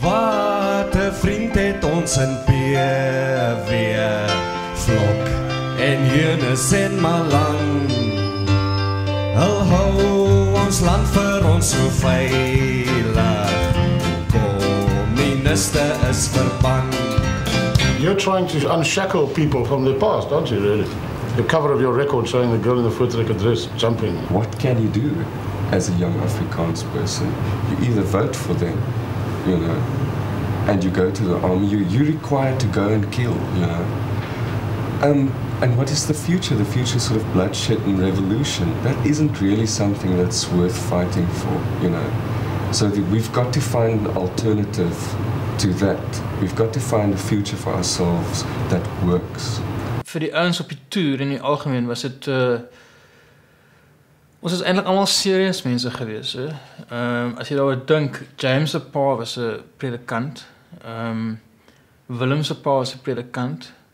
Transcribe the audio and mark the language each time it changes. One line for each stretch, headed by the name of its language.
Afrikaans: Wat 'n vriend het ons in PW vlok en Jonas en Malang. Hul hou ons land vir ons so veilig. Communiste is verbang.
English: You're trying to unshackle people from the past, aren't you, really? The cover of your record showing the girl in the Voortrekker dress jumping. What can you do as a young Afrikaans person? You either vote for them, you know, and you go to the army. You're required to go and kill, you know. And what is the future? The future sort of bloodshed and revolution. That isn't really something that's worth fighting for, you know. So we've got to find an alternative to that. We've got to find a future for ourselves that works.
Afrikaans: Vir die ouens op die toer in die algemeen was dit ons is eintlik almal serieus mense gewees, hè. As jy daaroor dink, James se pa was 'n predikant. Willem se pa was 'n predikant.